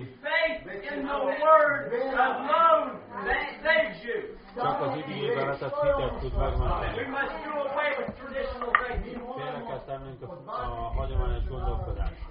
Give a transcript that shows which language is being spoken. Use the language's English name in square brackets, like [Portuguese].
[English] Faith in the word alone that saves you. [Hungarian] Csak az igébe vetett hitet tud megmenteni. [English] We must do away with traditional faith. [Hungarian] A hagyományos gondolkodás.